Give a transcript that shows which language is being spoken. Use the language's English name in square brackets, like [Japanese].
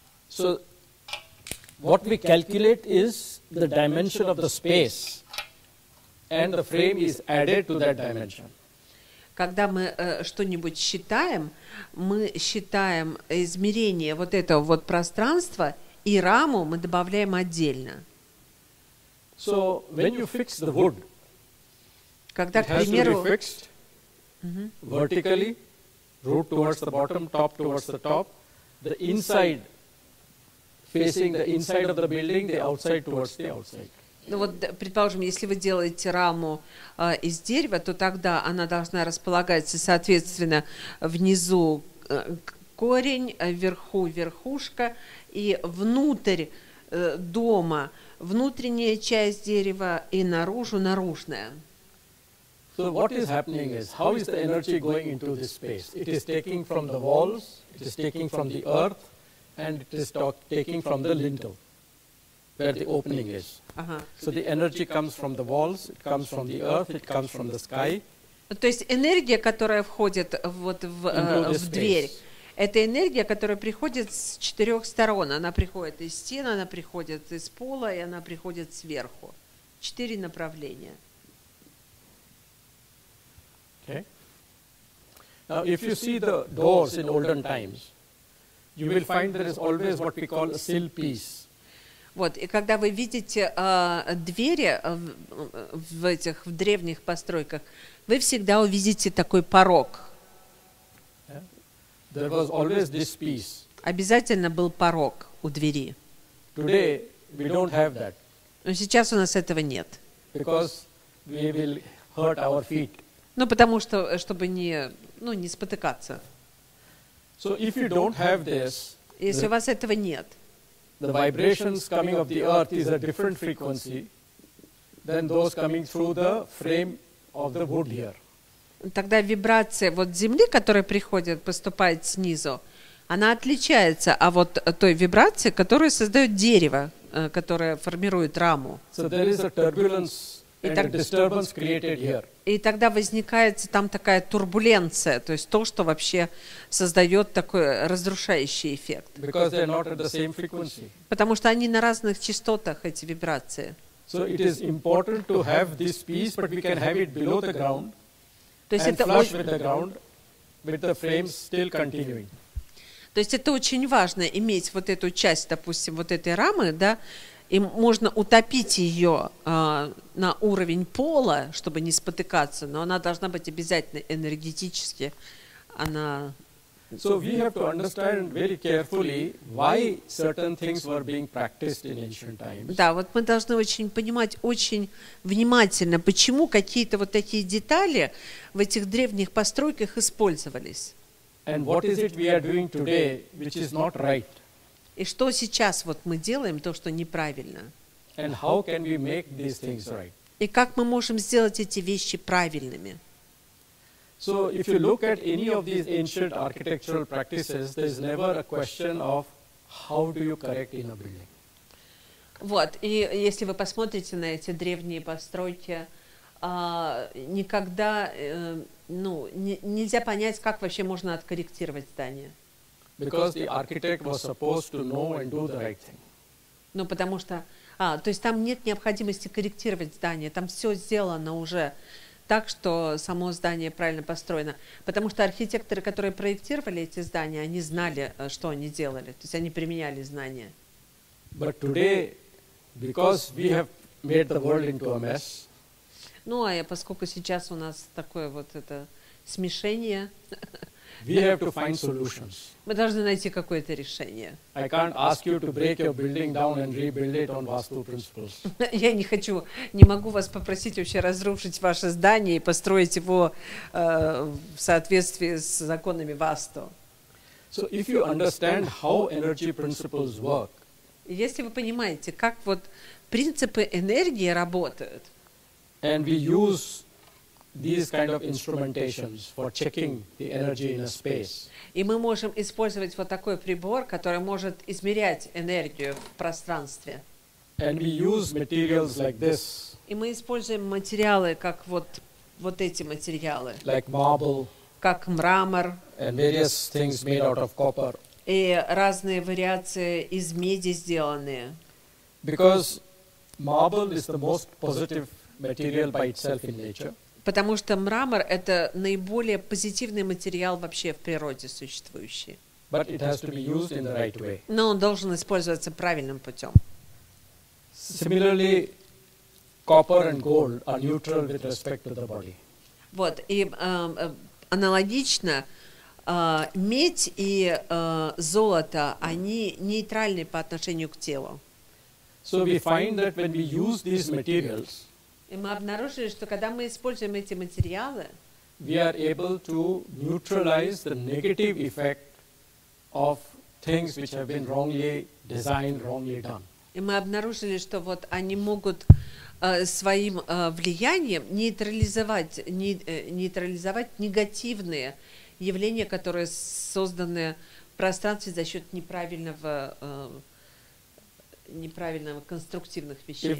[English] So, what we calculate is the dimension of the space, and the frame is added to that dimension. [Russian] Когда мы что-нибудь считаем, мы считаем измерение вот этого вот пространства, и раму мы добавляем отдельно. [English] So, when you fix the wood, [Russian] когда, [English] it has to be fixed vertically, root towards the bottom, top towards the top, the inside facing the inside of the building, the outside towards the outside. [Russian] Ну вот, предположим, если вы делаете раму из дерева, то тогда она должна располагаться, соответственно, внизу корень, вверху верхушка, и внутрь дома внутренняя часть дерева и наружу наружная. [English] So what is happening is, how is the energy going into this space? It is taking from the walls, it is taking from the earth, and it is taking from the lintel, where the opening is. Uh-huh. So the energy comes from the walls, it comes from the earth, it comes from the sky. [Russian] То есть энергия, которая входит вот в дверь, это энергия, которая приходит с четырех сторон. Она приходит из стен, она приходит из пола, и она приходит сверху. Четыре направления. [English] Okay. Now, if you see the doors in olden times, you will find there is always what we call a sill piece. [Russian] Вот, и когда вы видите двери в этих в древних постройках, вы всегда увидите такой порог. [English] Yeah. There was always this piece. [Russian] Обязательно был порог у двери. [English] Today we don't have that. [Russian] Но сейчас у нас этого нет. [English] Because we will hurt our feet. [Russian] Ну, потому что, чтобы не, ну, не спотыкаться. [English] So if you don't have this, [Russian] если у вас этого нет, [English] the vibrations coming of the earth is a different frequency than those coming through the frame of the wood here. [Russian] Тогда вибрация вот земли, которая приходит, поступает снизу, она отличается от вот той вибрации, которую создает дерево, которое формирует раму. [English] So there is a turbulence and a disturbance created here. [Russian] И тогда возникает там такая турбуленция, то есть то, что вообще создает такой разрушающий эффект. [English] Because they're not at the same frequency. [Russian] Потому что они на разных частотах, эти вибрации. [English] So it is important to have this piece, but we can have it below the ground and flush with the ground, with the frames still continuing. [Russian] То есть это очень важно, иметь вот эту часть, допустим, вот этой рамы, да, и можно утопить ее на уровень пола, чтобы не спотыкаться, но она должна быть обязательно энергетически. Она... [English] So we have to understand very carefully why certain things were being practiced in ancient times. [Russian] Да, вот мы должны очень понимать очень внимательно, почему какие-то вот такие детали в этих древних постройках использовались. [English] And what is it we are doing today, which is not right? [Russian] И что сейчас вот мы делаем, то, что неправильно? [English] And how can we make these things right? [Russian] И как мы можем сделать эти вещи правильными? [English] So, if you look at any of these ancient architectural practices, there's never a question of how do you correct in a building. [Russian] Вот, и если вы посмотрите на эти древние постройки, никогда, нельзя понять, как вообще можно откорректировать здание. [English] Because the architect was supposed to know and do the right thing. [Russian] Ну, потому что, то есть там нет необходимости корректировать здание, там все сделано уже так, что само здание правильно построено. Потому что архитекторы, которые проектировали эти здания, они знали, что они делали, то есть они применяли знания. [English] But today, because we have made the world into a mess. [Russian] Ну, а поскольку сейчас у нас такое вот это смешение. [English] We have to find solutions. [Russian] Мы должны найти какое-то решение. [English] I can't ask you to break your building down and rebuild it on Vastu principles. [Russian] Я не хочу, не могу вас попросить вообще разрушить ваше здание и построить его в соответствии с законами Vastu. [English] So if you understand how energy principles work. [Russian] Если вы понимаете, как вот принципы энергии работают. [English] And we use these kind of instrumentations for checking the energy in a space. [Russian] И мы можем использовать вот такой прибор, который может измерять энергию в пространстве. [English] And we use materials like this. [Russian] И мы используем материалы, как вот эти материалы. [English] Like marble. [Russian] Как мрамор. [English] And various things made out of copper. [Russian] И разные вариации из меди сделанные. [English] Because marble is the most positive material by itself in nature. [Russian] Потому что мрамор — это наиболее позитивный материал вообще в природе существующий. [English] But it has to be used in the right way. [Russian] Но он должен использоваться правильным путем. [English] Similarly, copper and gold are neutral with respect to the body. [Russian] Вот, и аналогично, медь и золото, они нейтральны по отношению к телу. [English] So we find that when we use these materials, [Russian] и мы обнаружили, что когда мы используем эти материалы, [English] we are able to neutralize the negative effect of things which have been wrongly designed, wrongly done. [Russian] И мы обнаружили, что вот они могут своим влиянием нейтрализовать негативные явления, которые созданы в пространстве за счет неправильного конструктивных вещей.